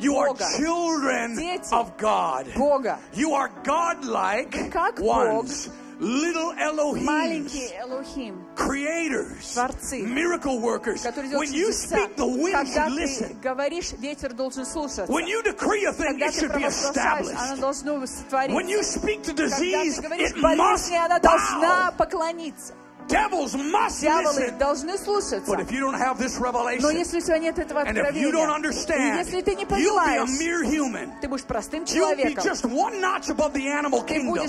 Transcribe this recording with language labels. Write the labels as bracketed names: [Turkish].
[English] You are children [Russian] Дети [English] of God. [Russian] Бога. [English] You are God-like [Russian] как [English] ones. [Russian] Бог. [English] Little Elohims. [Russian] Маленькие Элохим. [English] Creators. [Russian] Творцы. [English] Miracle workers. [Russian] Которые [English] when you speak, the wind [Russian] когда [English] should listen. [Russian] Когда ты говоришь, ветер должен слушаться. [English] When you decree a thing, it should be established. [Russian] Оно должно сотвориться. [English] When you speak to disease, it [Russian] болезни, [English] must [Russian] она должна поклониться. [English] Devils must [Russian] Дьяволы [English] listen. [Russian] Должны слушаться. [English] But if you don't have this revelation, [Russian] но если у тебя нет этого откровения, [English] and if you don't understand, [Russian] если ты не понимаешь, ты будешь простым человеком. [English] You'll be just one notch above the animal kingdom.